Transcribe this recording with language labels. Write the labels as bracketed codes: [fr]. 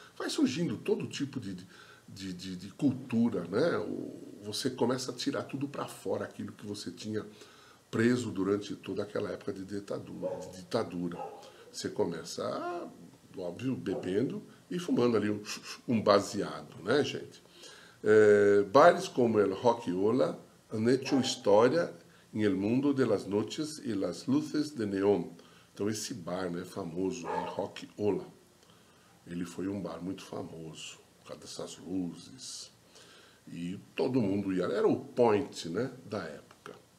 [pt] Vai surgindo todo tipo de cultura, né? Você começa a tirar tudo para fora aquilo que você tinha preso durante toda aquela época de ditadura. Você começa, óbvio, bebendo e fumando ali um baseado, né, gente? [es] Bares como el Rock Ola han hecho história en el mundo de las noches y las luces de neón. [pt] Então, esse bar, né, famoso, el Rock Ola, ele foi um bar muito famoso, por causa dessas luzes. E todo mundo ia, era o point, né, da época.